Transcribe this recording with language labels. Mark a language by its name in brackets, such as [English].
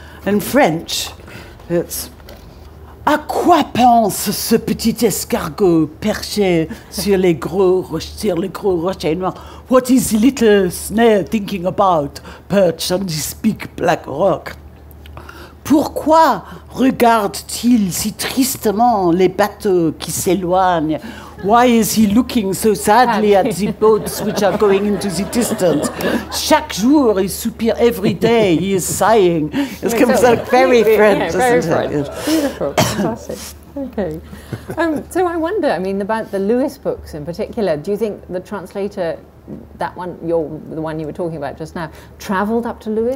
[English] In French, it's, [French] à quoi pense ce petit escargot perché sur les gros roches, sur les gros roches noirs? [English] What is the little snail thinking about perched on this big black rock? [French] Pourquoi regarde-t-il si tristement les bateaux qui s'éloignent? [English] Why is he looking so sadly at the boats which are going into the distance? [French] Chaque jour, il soupire, [English] every day, he is sighing. It's kind of like very French, yeah, isn't very it? Yes. Beautiful, fantastic. Okay. So I wonder, I mean, about the Lewis books in particular, do you think the translator, that one, the one you were talking about just now, travelled up to Lewis?